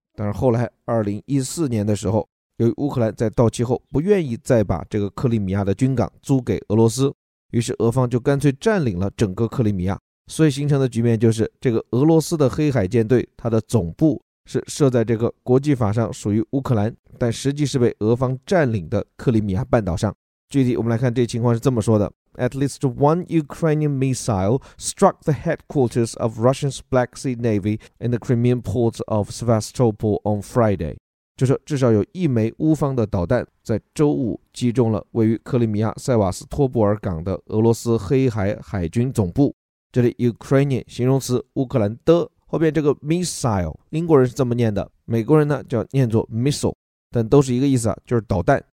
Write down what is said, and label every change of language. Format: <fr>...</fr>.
<zh>但是后来2014年的时候，由于乌克兰在到期后不愿意再把这个克里米亚的军港租给俄罗斯，于是俄方就干脆占领了整个克里米亚，所以形成的局面就是这个俄罗斯的黑海舰队它的总部是设在这个国际法上属于乌克兰但实际是被俄方占领的克里米亚半岛上。具体我们来看这情况是这么说的，</zh> <en>At least one Ukrainian missile struck the headquarters of Russia's Black Sea Navy in the Crimean port of Sevastopol on Friday.</en> <zh>就说至少有一枚乌方的导弹在周五击中了位于克里米亚塞瓦斯托波尔港的俄罗斯黑海海军总部。这里 Ukrainian 形容词乌克兰的后边这个 missile 英国人是这么念的，美国人呢叫念作 missile， 但都是一个意思啊，就是导弹。</zh>